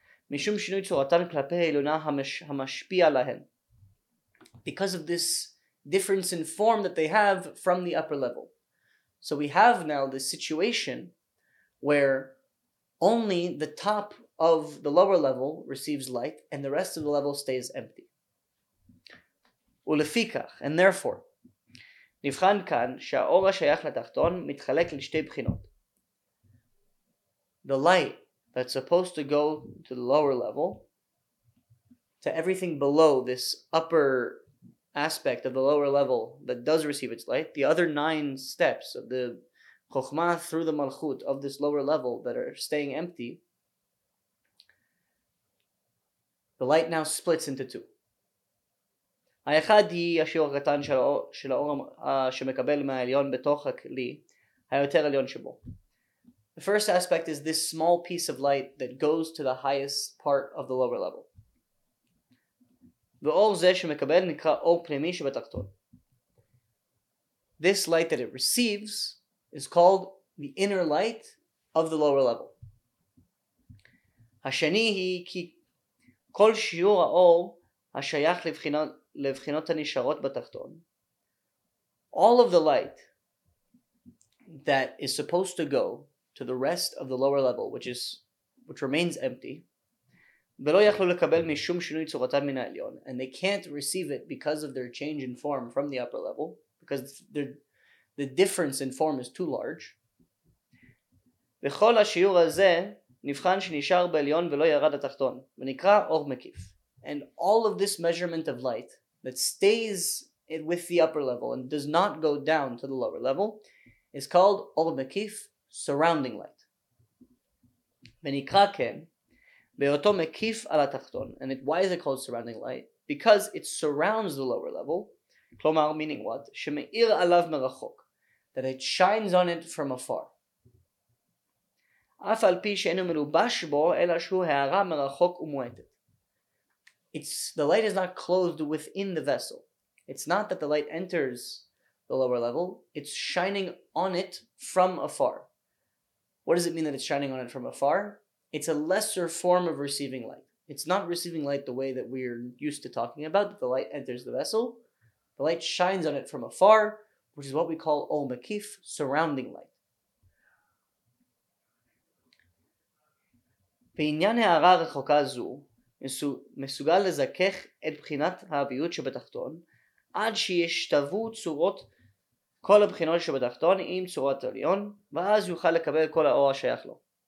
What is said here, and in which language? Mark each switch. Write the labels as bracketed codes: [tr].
[he] משום שינוי צורתן כלפי העליונה המשפיע להן. [en] Because of this difference in form that they have from the upper level. So we have now this situation where only the top of the lower level receives light and the rest of the level stays empty. [he] ולפיכך, [en] and therefore, [he] נבחן כאן שהאור השייך לתחתון מתחלק לשתי בחינות. [en] The light that's supposed to go to the lower level, to everything below this upper aspect of the lower level that does receive its light, the other nine steps of the Chokhmah through the Malchut of this lower level that are staying empty, the light now splits into two. [he] האחד היא השיעור הקטן של האור שמקבל מהעליון בתוך הכלי, היותר עליון שבו. [en] The first aspect is this small piece of light that goes to the highest part of the lower level. [he] ואור זה שמקבל נקרא אור פנימי שבתחתון. [en] This light that it receives is called the inner light of the lower level. [he] השני היא כי כל שיעור האור השייך לבחינות הנשארות בתחתון. [en] All of the light that is supposed to go to the rest of the lower level, which remains empty, [he] ולא יכלו לקבל משום שינוי צורתם מן העליון, [en] and they can't receive it because of their change in form from the upper level, because the difference in form is too large. [he] וכל השיעור הזה נבחן שנשאר בעליון ולא ירד התחתון, ונקרא אור מקיף. [en] And all of this measurement of light that stays with the upper level and does not go down to the lower level is called אור מקיף, surrounding light. [he] ונקרא כן, באותו מקיף על התחתון. [en] And why is it called surrounding light? Because it surrounds the lower level, [he] כלומר, [en] meaning what? [he] שמאיר עליו מרחוק, [en] that it shines on it from afar. [he] אף על פי שאינו מלובש בו, אלא שהוא הערה מרחוק ומועטת. [en] The light is not clothed within the vessel. It's not that the light enters the lower level. It's shining on it from afar. What does it mean that it's shining on it from afar? It's a lesser form of receiving light. It's not receiving light the way that we're used to talking about, that the light enters the vessel. The light shines on it from afar, which is what we call Ol Mekif, surrounding light. [he] בעניין הערה רחוקה זו, מסוגל לזכך את בחינת האביות שבתחתון, עד שישתוו צורות כל הבחינות שבתחתון עם צורת העליון, ואז יוכל לקבל כל האור השייך לו.